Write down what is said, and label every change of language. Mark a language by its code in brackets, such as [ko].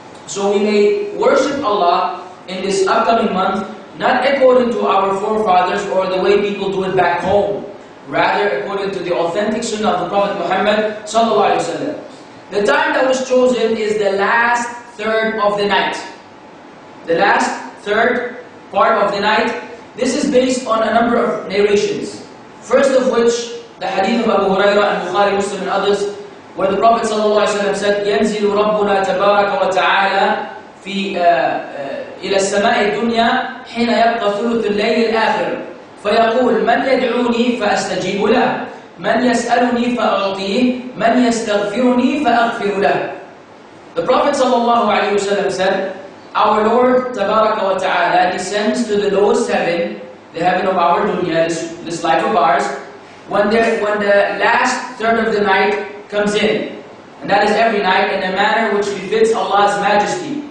[en] So we may worship Allah in this upcoming month, not according to our forefathers or the way people do it back home, rather according to the authentic sunnah of the Prophet Muhammad sallallahu alaihi wasallam. The time that was chosen is the last third of the night. The last third part of the night. This is based on a number of narrations. [ar] First of which, the hadith of Abu Hurairah and Bukhari, Muslim and others, where the Prophet said, يَنْزِلُ رَبُّنَا تَبَارَكَ وَتَعَالَى فِي إِلَى السَّمَاءِ الدُّنْيَا حِنَ يَبْقَ ثُلُثُ اللَّيْلِ الْآخِرِ فَيَقُولُ مَنْ يَدْعُونِي فَأَسْتَجِيبُ لَهُ مَنْ يَسْأَلُنِي فَأَعْطِيهِ مَنْ يَسْتَغْفِرُنِي فَأَغْفِرُ لَهُ. [en] The Prophet said, our Lord Tabaraka wa Ta'ala descends to the lowest heaven, the heaven of our dunya, this life of ours, when the last third of the night comes in. And that is every night in a manner which befits Allah's majesty.